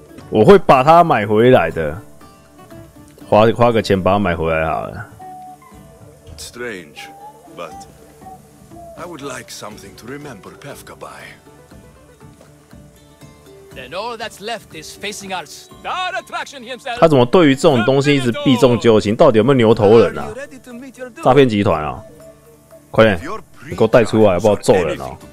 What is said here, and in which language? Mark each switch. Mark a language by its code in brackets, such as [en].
[zh] 我会把它买回来的，花个钱把它买回来好了。 [en] Strange, but I would like something to remember Pefka by. And all that's left is facing our star attraction himself. [zh] 他怎么对于这种东西一直避重就轻？到底有没有牛头人啊？诈骗集团啊！快点，你给我带出来，不然揍人啊！